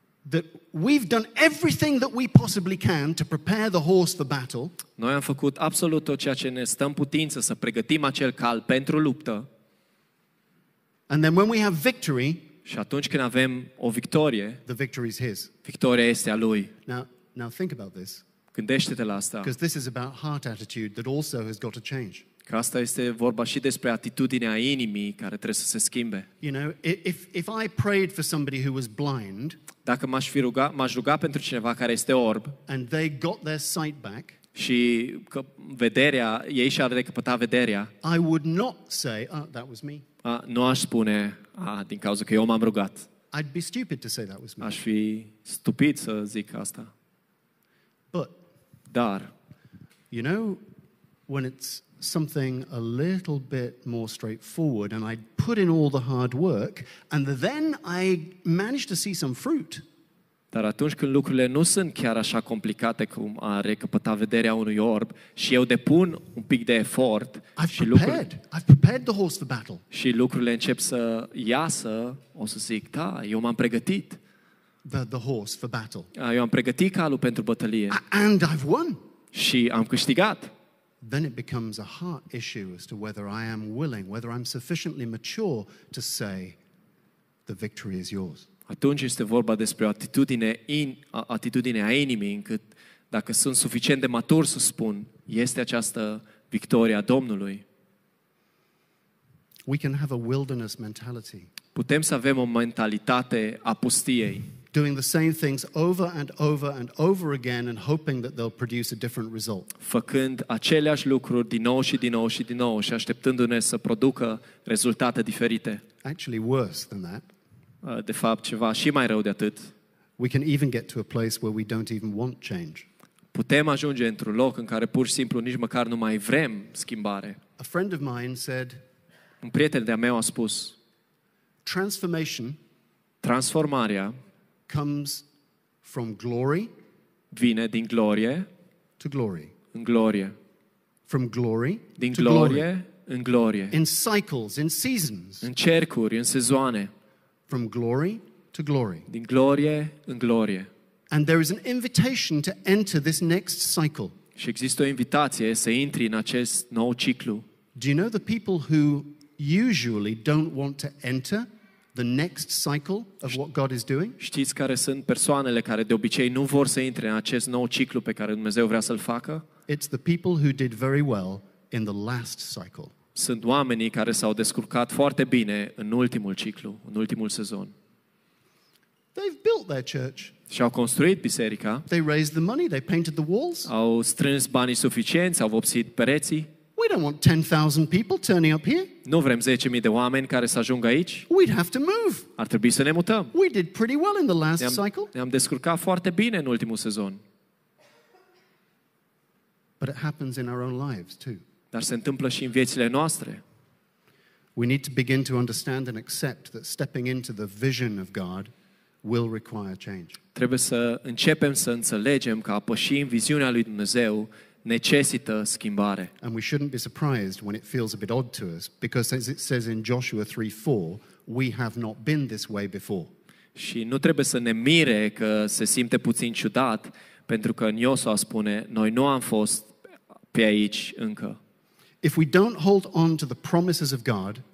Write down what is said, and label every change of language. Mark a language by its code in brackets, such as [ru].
[en] That we've done everything that we possibly can to prepare the horse for battle. [ro] Noi am făcut absolut tot ceea ce ne stă în putință să pregătim acel cal pentru luptă. [en] And then when we have victory, [ro] și atunci când avem o victorie, [en] the victory is his. [ro] Victoria este a lui. [en] Now think about this. [ro] Gândește-te la asta. [en] Because this is about heart attitude that also has got to change. [ro] Că asta este vorba și despre atitudinea inimii care trebuie să se schimbe. [en] You know, if I prayed for somebody who was blind, [ro] dacă m-aș ruga pentru cineva care este orb, [en] and they got their sight back, [ro] și că vederea, ei și-ar recăpăta vederea, [en] I would not say, oh, that was me. [ro] Nu aș spune, din cauza că eu m-am rugat. [en] I'd be stupid to say that was me. [ro] Aș fi stupid să zic asta. [en] But, [ro] dar, [en] you know, when it's something a little bit more straightforward and I put in all the hard work and then I manage to see some fruit. [ro] Dar atunci când lucrurile nu sunt chiar așa complicate cum a recăpăta vederea unui orb și eu depun un pic de efort [en] I've prepared the horse for battle. [ro] Și lucrurile încep să iasă, o să zic, da, eu m-am pregătit. [en] The horse for battle. [ro] Eu am pregătit calul pentru bătălie. [en] And I've won. [ro] Și am câștigat. [en] then it becomes a heart issue as to whether I am willing, whether I'm sufficiently mature to say, the victory is yours. [ro] Atunci este vorba despre atitudinea inimii, încât dacă sunt suficient de matur să spun, este această victoria Domnului. [en] We can have a wilderness mentality. [ro] Putem să avem o mentalitate a pustiei. [en] Doing the same things over and over and over again and hoping that they'll produce a different result. [ro] Făcând aceleași lucruri din nou și din nou și din nou și așteptându-ne să producă rezultate diferite. [en] Actually worse than that. [ro] De fapt ceva și mai rău de atât. [en] We can even get to a place where we don't even want change. [ro] Putem ajunge într-un loc în care pur și simplu nici măcar nu mai vrem schimbare. [en] A friend of mine said, [ro] un prieten de-a meu a spus, [en] transformation, [ro] transformarea [en] comes from glory, [ro] vine din glorie, [en] to glory, [ro] în glorie, [en] from glory, [ro] din glorie, în glorie, [en] in cycles, in seasons, [ro] în cercuri, în sezoane, [en] from glory to glory, [ro] din glorie, în glorie. [en] And there is an invitation to enter this next cycle. [ro] Și există o invitație să intri în acest nou ciclu. [en] Do you know the people who usually don't want to enter the next cycle of what God is doing? [ro] Știți care sunt persoanele care de obicei nu vor să intre în acest nou ciclu pe care Dumnezeu vrea să-l facă? [en] It's the people who did very well in the last cycle. [ro] Sunt oamenii care s-au descurcat foarte bine în ultimul ciclu, în ultimul sezon. [en] They've built their church. [ro] Și-au construit biserica. [en] They raised the money, they painted the walls. [ro] Au strâns banii suficienți, au vopsit pereții. [en] We don't want 10,000 people turning up here. [ro] Nu vrem 10,000 de oameni care să ajungă aici. [en] We'd have to move. [ro] Ar trebui să ne mutăm. [en] We did pretty well in the last cycle. [ro] Ne-am descurcat foarte bine în ultimul sezon. [en] But it happens in our own lives too. [ro] Dar se întâmplă și în viețile noastre. [en] We need to begin to understand and accept that stepping into the vision of God will require change. [ro] Trebuie să începem să înțelegem că a păși în viziunea lui Dumnezeu necesită schimbare. [en] And we shouldn't be surprised when it feels a bit odd to us, because as it says in Joshua 3:4, we have not been this way before. [ro] Și nu trebuie să ne mire că se simte puțin ciudat, pentru că în Iosua spune, noi nu am fost pe aici încă. [en] If we don't hold on to the promises of God,